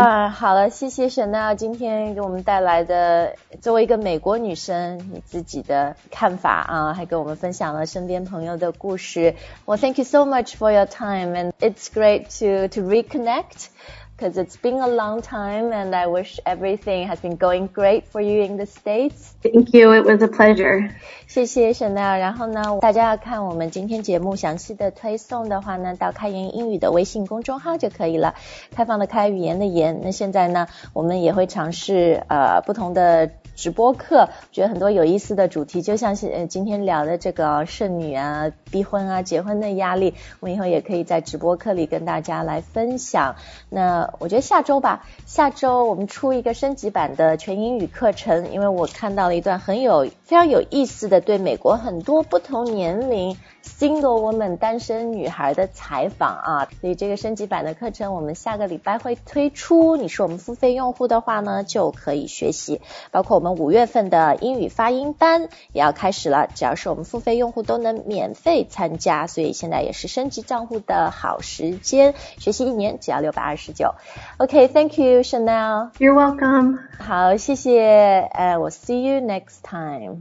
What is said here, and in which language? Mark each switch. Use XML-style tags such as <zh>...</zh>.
<zh>好了，谢谢 Chanel 今天给我们带来的作为一个美国女生你自己的看法啊，还给我们分享了身边朋友的故事。</zh> <en>Well, thank you so much for your time, and it's great to reconnect, because it's been a long time, and I wish everything has been going great for you in the States. Thank you, it was a pleasure.</en> <zh>谢谢 Chanel, 然后呢，大家要看我们今天节目详细的推送的话呢，到开言英语的微信公众号就可以了，开放的开，语言的言。那现在呢，我们也会尝试不同的直播课，觉得很多有意思的主题，就像今天聊的这个剩女啊、逼婚啊、结婚的压力，我们以后也可以在直播课里跟大家来分享。那我觉得下周吧，下周我们出一个升级版的全英语课程，因为我看到了一段非常有意思的对美国很多不同年龄 single woman 单身女孩的采访啊，所以这个升级版的课程我们下个礼拜会推出，你是我们付费用户的话呢就可以学习，包括我们五月份的英语发音班也要开始了，只要是我们付费用户都能免费参加，所以现在也是升级账户的好时间，学习一年只要629。</zh> <en>OK, thank you Chanel. You're welcome.</en> <zh>好，谢谢，</zh> <en>we'll see you next time.</en>